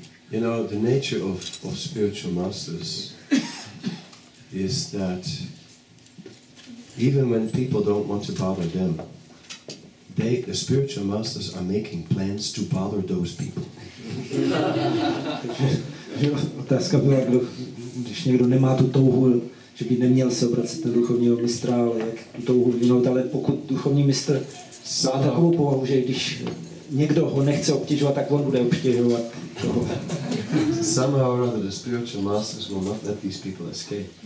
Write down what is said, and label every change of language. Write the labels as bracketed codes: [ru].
[en] You know, the nature of spiritual masters is that even when people don't want to bother them, the spiritual masters are making plans to bother those people. [cs] Otázka byla, když někdo nemá tu touhu, že by neměl se obracet na duchovního mistra, ale jak tu touhu vynout, ale pokud duchovní mistr má takovou povahu, že když někdo ho nechce obtěžovat, tak on bude obtěžovat toho. [en] Somehow or other, the spiritual masters will not let these people escape.